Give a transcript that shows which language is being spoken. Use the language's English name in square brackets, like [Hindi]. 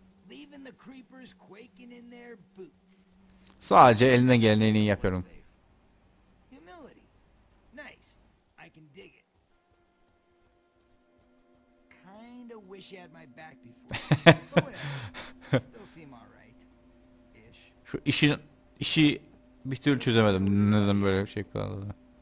[English] Leaving the creepers quaking in their boots. [Turkish] Sadece elime geleni yapıyorum. [English] Humility. Nice. I can dig it. Kind of wish I had my back before. Still seem all right. [Turkish] Şu işi bir türlü çözemedim. Neden böyle bir şey kaldı?